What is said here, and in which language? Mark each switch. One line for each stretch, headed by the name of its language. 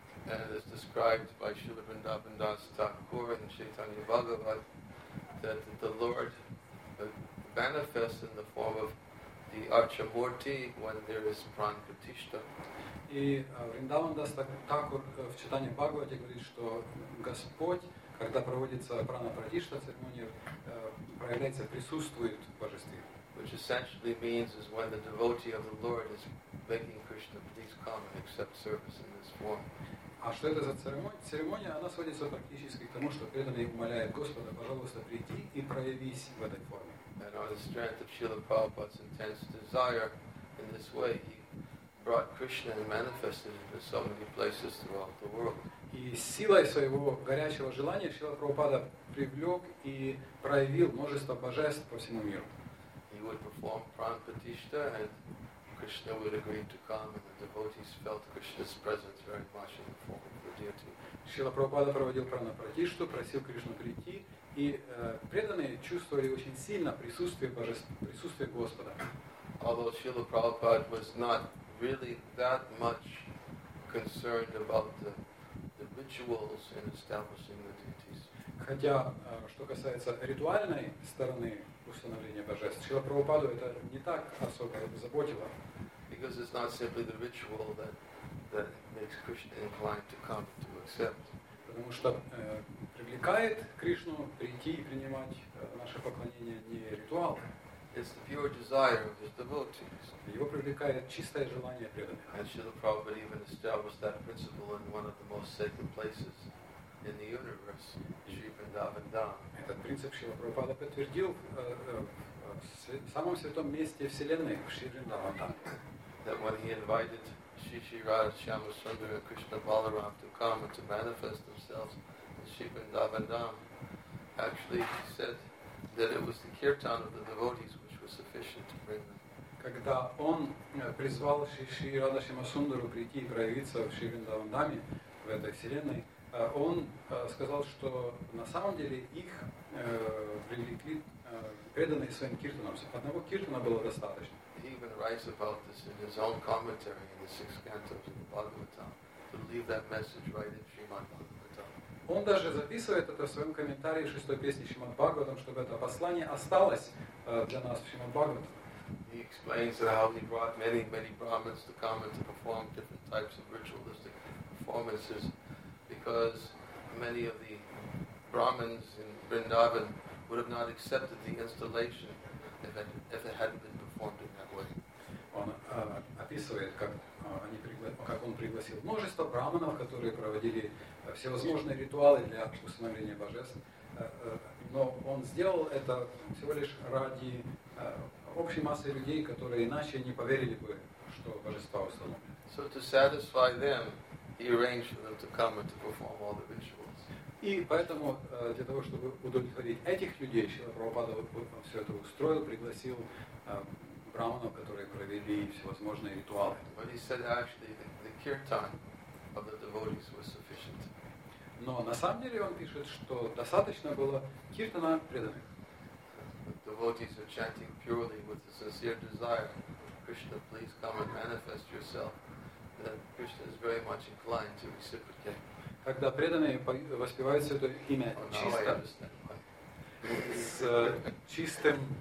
English: And it's described by Śrīla Vṛndāvanadāsa Thakura in Chaitanya Bhagavat that the Lord manifests in the form of the Arjamurti when there is prana pratishtha.
Russian: И Вриндаванадас Такур в читании Бхагавате говорит, что Господь, когда проводится прана-пратишта, церемония проявляется, присутствует в Божестве.
English: which essentially means is when the devotee of the Lord is making Krishna please come and accept service in this form.
Russian: А что это за церемония? Церемония, она сводится практически к тому, что преданный умоляет Господа, пожалуйста, прийти и проявись в этой форме.
English: And on the strength of Srila Prabhupada's intense desire in this way, he brought Krishna and manifested it in so many places throughout the world.
Russian: И силой своего горячего желания Шрила Прабхупада привлек и проявил множество божеств по всему миру.
English: He would perform prana pratishtha and Krishna would agree to come, and the devotees felt Krishna's presence very much in the form of the deity.
Russian: Шрила Прабхупада проводил прана пратишту, просил Кришну прийти, и преданные чувствовали очень сильно присутствие божества, присутствие Господа.
English: Although Srila Prabhupada was not really that much concerned about the rituals in establishing the deities.
Russian: Хотя, что касается ритуальной стороны установления божеств, Шрила Прабхупаду это не так особо заботило.
English: Because it's not simply the ritual that makes Krishna inclined to come to accept.
Russian: Потому что привлекает Кришну прийти и принимать наше поклонение не ритуал.
English: It's the pure desire of his devotees.
Russian: Его привлекает чистое желание преданных.
English: And Srila Prabhupada even established that principle in one of the most sacred places in the universe, Sri Vrindavan Dham.
Russian: Этот принцип Шрила Прабхупада подтвердил в самом святом месте Вселенной, в Шри Вриндаван Дхам.
English: That when he invited Shri Shri Radha Shyama Sundara and Krishna Balaram to come and to manifest themselves in Shri Vrindavan Dham, actually he said that it was the kirtan of the devotees which was sufficient to bring them.
Russian: Когда он призвал Шри Шри Радха Шьяма Сундару прийти и проявиться в Шри Вриндаван Дхаме, в этой вселенной, он сказал, что на самом деле их привлекли преданные своим киртаном. Одного киртана было достаточно.
English: He even writes about this in his own commentary in the six cantos of the Bhagavatam to leave that message right in Srimad Bhagavatam.
Russian: Он даже записывает это в своем комментарии в шестой песне Шримад Бхагаватам, чтобы это послание осталось для нас в Шримад Бхагаватам.
English: He explains how he brought many, many Brahmins to come and to perform different types of ritualistic performances because many of the Brahmins in Vrindavan would have not accepted the installation if it hadn't been performed in that way.
Russian: Он описывает, как он пригласил множество брахманов, которые проводили всевозможные ритуалы для установления божеств. Но он сделал это всего лишь ради общей массы людей, которые иначе не поверили бы, что божества установлены.
English: So to satisfy them, he arranged for them to come and to perform all the rituals.
Russian: И поэтому для того, чтобы удовлетворить этих людей, Шрила Прабхупада все это устроил, пригласил брахманов, которые провели всевозможные ритуалы.
English: But he said actually the kirtan of the devotees was sufficient.
Russian: Но на самом деле он пишет, что достаточно было киртана преданных.
English: The devotees are chanting purely with a sincere desire, Krishna, please come and manifest yourself. Then Krishna is very much inclined to reciprocate.
Russian: Когда преданные воспевают Святое Имя чисто, с чистым...